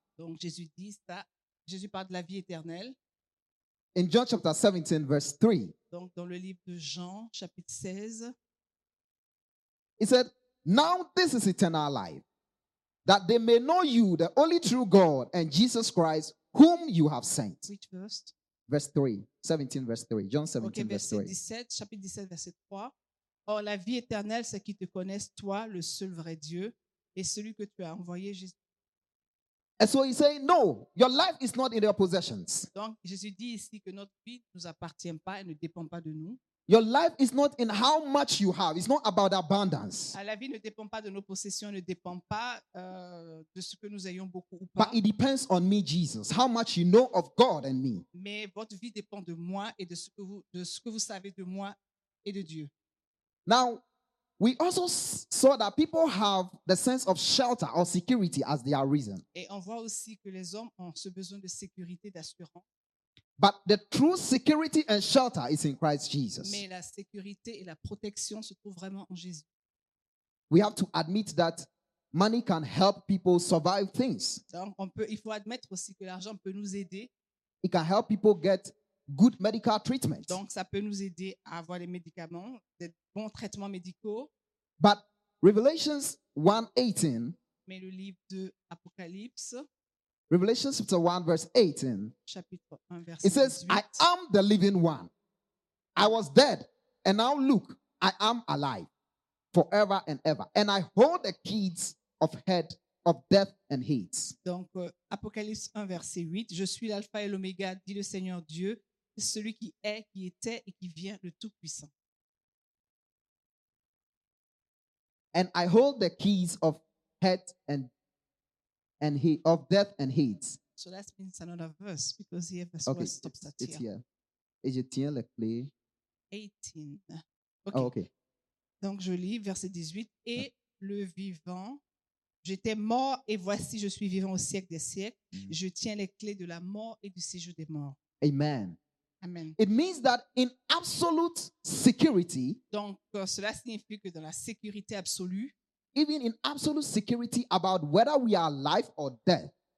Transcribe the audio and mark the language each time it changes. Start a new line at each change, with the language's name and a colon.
French: Donc Jésus dit ça. Jésus parle de la vie éternelle.
English: In John chapter 17, verse 3.
French: Donc, dans le livre de Jean, chapitre 16.
English: It said, "Now this is eternal life, that they may know you, the only true God, and Jesus Christ, whom you have sent." Which verse? Verse 3. 17, verse 3. John 17, okay, verse 3.
French: Okay, verset 17, chapitre 17, verset 3. Or, la vie éternelle, c'est qu'ils te connaissent, toi, le seul vrai Dieu, et celui que tu as envoyé, Jésus.
English: And so he's saying, no, your life is not in your possessions.
French: Donc, Jésus dit ici que notre vie ne nous appartient pas, elle ne dépend pas de nous.
English: Your life is not in how much you have. It's not about abundance.
French: La vie ne dépend pas de nos possessions, ne dépend pas de ce que nous ayons beaucoup ou pas.
English: But it depends on me, Jesus. How much you know of God and me.
French: Mais votre vie dépend de moi et de ce que vous savez de moi et de Dieu.
English: Now, we also saw that people have the sense of shelter or security as their reason.
French: Et on voit aussi que les hommes ont ce besoin de sécurité, d'assurance.
English: But the true security and shelter is in Christ Jesus.
French: Mais la sécurité et la protection se trouvent vraiment en Jésus.
English: We have to admit that money can help people survive things.
French: Donc il faut admettre aussi que l'argent peut nous aider.
English: It can help people get good medical treatment.
French: Donc ça peut nous aider à avoir les médicaments, des bons traitements médicaux.
English: But Revelations 1:18.
French: Mais le livre de Apocalypse.
English: Revelation chapter 1, verse 18.
French: Chapitre 1, verse 18.
English: It says, I am the living one. I was dead, and now look, I am alive forever and ever. And I hold the keys of head of death and Hades.
French: Donc, Apocalypse 1, verset 8. Je suis l'alpha et l'oméga, dit le Seigneur Dieu, celui qui est, qui était et qui vient, le Tout-Puissant.
English: And I hold the keys of head and death. And he of death and hates. So that means another verse because here verse okay, one stops at it's here.
French: Et je tiens le clé.
English: 18. Okay. Oh, okay.
French: Donc je lis verset 18. Et le vivant, j'étais mort et voici je suis vivant au siècle des siècles. Mm-hmm. Je tiens les clés de la mort et du séjour des morts. Amen. Amen.
English: It means that in absolute security.
French: Donc cela signifie que dans la sécurité absolue.
English: Even in absolute security about whether we are alive or dead.